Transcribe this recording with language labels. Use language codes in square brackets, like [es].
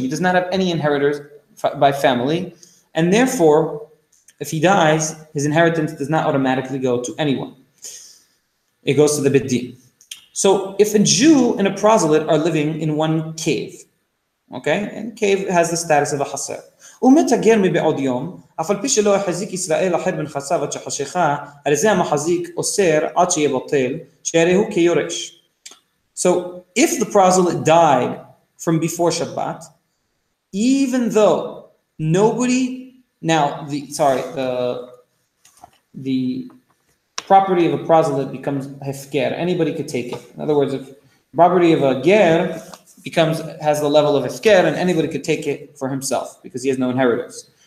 [en] He does not have any inheritors by family. And therefore, if he dies, his inheritance does not automatically go to anyone. It goes to the Beit Din. So if a Jew and a proselyte are living in one cave, okay, and cave has the status of a chaser. [he] ומת הגר מבעוד יום, אף על פי שלא החזיק ישראל אחד מן חסיו עד שחשיכה, על זה המחזיק אוסר עד שיבטל, שהרי הוא כיורש. [en] So if the proselyte died from before Shabbat, even though nobody, the property of a proselyte becomes hefker, anybody could take it. In other words, if property of a ger has the level of hefker, and anybody could take it for himself because he has no inheritance.